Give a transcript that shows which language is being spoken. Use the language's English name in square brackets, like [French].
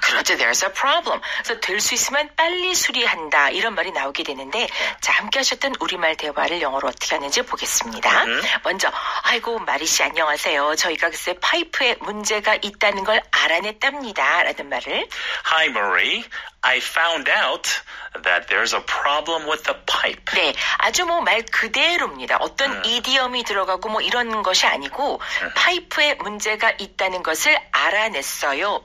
[Korean] 그렇죠. [English] There's a problem. [Korean] 그래서 될 수 있으면 빨리 수리한다. 이런 말이 나오게 되는데 자, 함께 하셨던 우리말 대화를 영어로 어떻게 하는지 보겠습니다. 먼저 아이고 마리 씨 안녕하세요. 저희가 글쎄 파이프에 문제가 있다는 걸 알아냈답니다. 라는 말을 [English] Hi, Marie. I found out that there's a problem with the pipe. [Korean] 네, 아주 뭐 말 그대로입니다. 어떤 이디엄이 들어가고 뭐 이런 것이 아니고 파이프에 문제가 있다는 것을 알아냈어요.